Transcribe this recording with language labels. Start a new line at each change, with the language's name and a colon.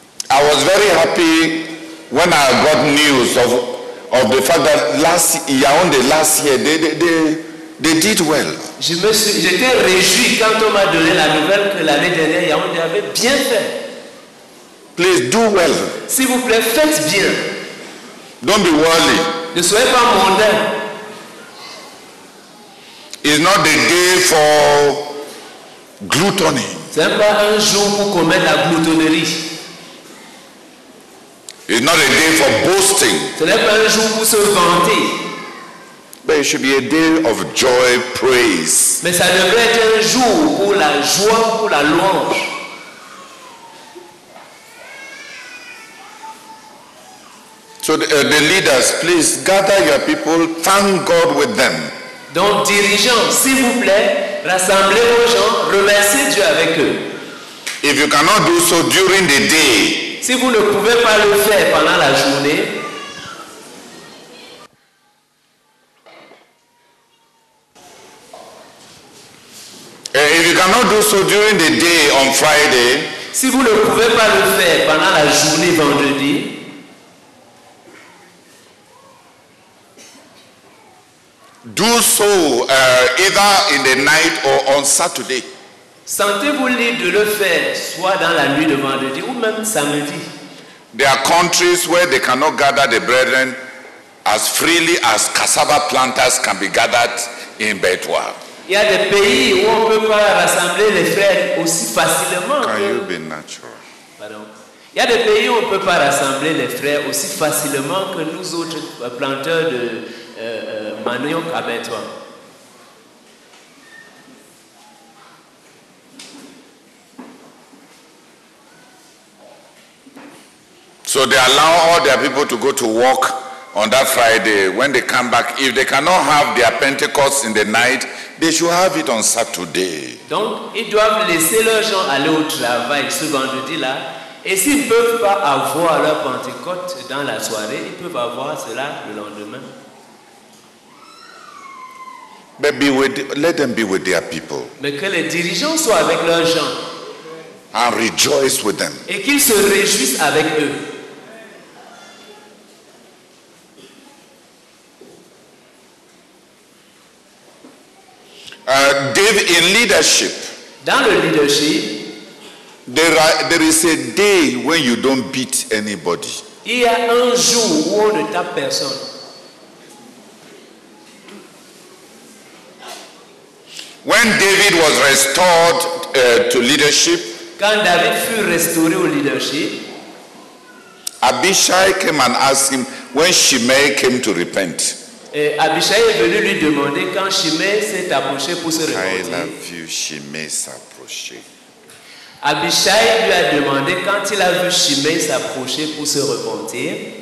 English: I was very happy when I got news of the fact that last year, they They did well.
French: J'étais réjoui quand on m'a donné la nouvelle que l'année dernière, Yaoundé avait bien fait.
English: Please do well.
French: S'il vous plaît, faites bien.
English: Don't be worldly.
French: Ne soyez pas mondain.
English: It's not the day for gluttony.
French: Ce n'est pas un jour pour commettre la gloutonnerie.
English: It's not a day for boasting.
French: Ce n'est pas un jour pour se vanter.
English: But it should be a day of joy, praise.
French: Mais ça devrait être un jour pour la joie, pour la louange.
English: So the leaders, please gather your people, thank God with them.
French: Donc dirigeants, s'il vous plaît, rassemblez vos gens, remerciez Dieu avec eux.
English: If you cannot do so during the day,
French: si vous ne pouvez pas le faire pendant la journée,
English: if you cannot do so during the day on Friday,
French: si vous ne pouvez pas le faire pendant la journée vendredi,
English: do so either in the night or on Saturday.
French: Sentez-vous libre de le faire soit dans la nuit de vendredi ou même samedi.
English: There are countries where they cannot gather the brethren as freely as cassava planters can be gathered in Betwa.
French: Il y a des pays où on ne peut pas rassembler les frères aussi facilement.
English: Can you be natural?
French: Pardon. Il y a des pays où on ne peut pas rassembler les frères aussi facilement que nous autres planteurs de manioc à Betwa.
English: So they allow all their people to go to work on that Friday. When they come back, if they cannot have their Pentecost in the night, they should have it on Saturday.
French: Donc, ils doivent laisser leurs gens aller au travail ce vendredi-là. Et s'ils ne peuvent pas avoir leur Pentecôte dans la soirée, ils peuvent avoir cela le lendemain.
English: But let them be with their people.
French: Mais que les dirigeants soient avec leurs gens.
English: And rejoice with them.
French: Et qu'ils se réjouissent avec eux.
English: David, in leadership.
French: Dans le leadership,
English: there is a day when you don't beat anybody.
French: Il y a un jour où on ne tape personne.
English: When David was restored to leadership.
French: Quand David fut restauré au leadership,
English: Abishai came and asked him when Shimei came to repent.
French: Et Abishai est venu lui demander quand Shimei s'est approché pour se repentir. Quand il a vu Shimei s'approcher, Abishai lui a demandé quand il a vu Shimei s'approcher pour se repentir.